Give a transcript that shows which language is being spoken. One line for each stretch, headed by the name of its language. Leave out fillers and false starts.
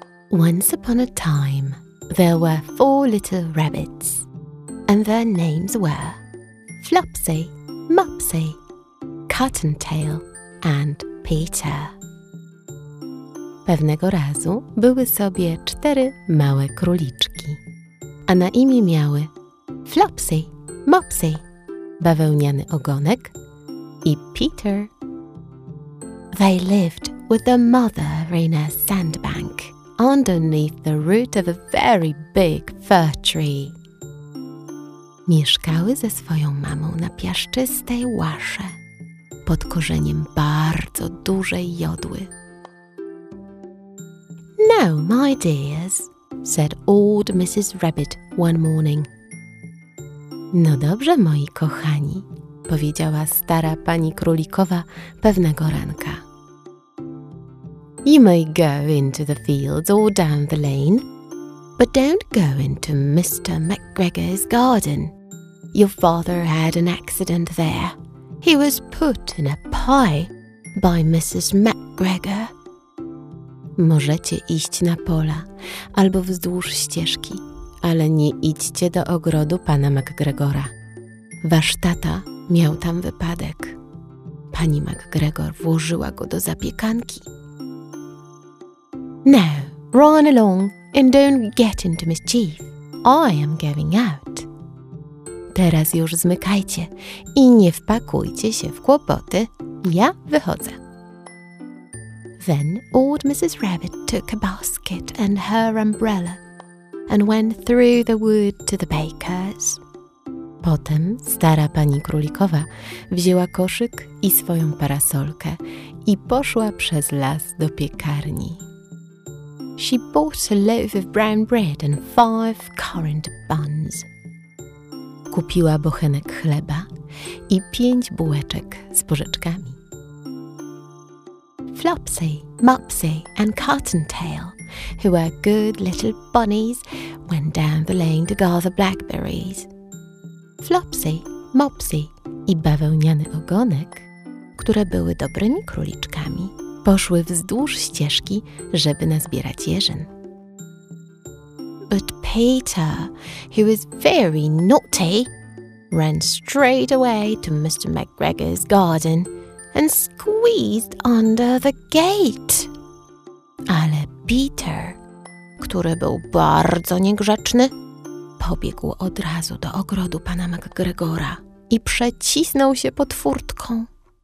English: Once upon a time, there were four little rabbits, and their names were Flopsy, Mopsy, Cottontail, and Peter.
Polish: Pewnego razu były sobie cztery małe króliczki, a na imię miały Flopsy, Mopsy, bawełniany ogonek, i Peter.
English: They lived with their mother in a sandbank underneath the root of a very big fir tree.
Polish: Mieszkały ze swoją mamą na piaszczystej łasze pod korzeniem bardzo dużej jodły.
English: Now, my dears, said old Mrs. Rabbit one morning.
Polish: No dobrze, moi kochani, powiedziała stara pani królikowa pewnego ranka.
English: You may go into the fields or down the lane, but don't go into Mr. McGregor's garden. Your father had an accident there. He was put in a pie by Mrs. McGregor.
Polish: Możecie iść na pola albo wzdłuż ścieżki, ale nie idźcie do ogrodu pana McGregora. Wasz tata miał tam wypadek. Pani McGregor włożyła go do zapiekanki.
English: Now, run along and don't get into mischief. I am going out.
Polish: Teraz już zmykajcie i nie wpakujcie się w kłopoty. Ja wychodzę.
English: Then old Mrs. Rabbit took a basket and her umbrella and went through the wood to the baker's.
Polish: Potem stara pani królikowa wzięła koszyk i swoją parasolkę i poszła przez las do piekarni.
English: She bought a loaf of brown bread and five currant buns.
Polish: Kupiła bochenek chleba i pięć bułeczek z porzeczkami.
English: Flopsy, Mopsy and Cottontail, who were good little bunnies, went down the lane to gather blackberries.
Polish: Flopsy, Mopsy i bawełniany ogonek, które były dobrymi króliczkami, poszły wzdłuż ścieżki, żeby nazbierać jeżyn.
English: But Peter, who was very naughty, ran straight away to Mr. McGregor's garden and squeezed under the gate.
Polish: Ale Peter, który był bardzo niegrzeczny, pobiegł od razu do ogrodu pana McGregora i przecisnął się pod furtką.